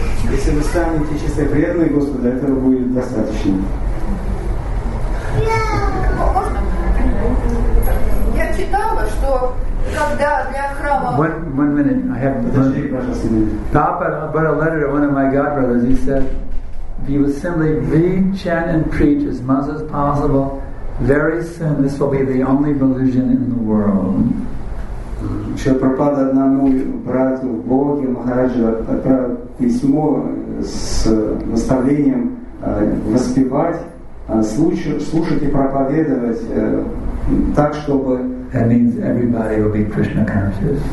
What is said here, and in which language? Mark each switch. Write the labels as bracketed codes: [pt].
[ru] Если вы станете чистой преданной Господа, этого будет достаточно. Я читала, что когда для храма... [en] But a letter to one of my godbrothers, he said, if you simply read, chant, and preach as much as possible, very soon this will be the only religion in the world. [ru] Шри Прабхупада одному брату Боге Махараджу отправил письмо с наставлением воспевать, слушать и проповедовать так, чтобы... [en] That means everybody will be Krishna conscious.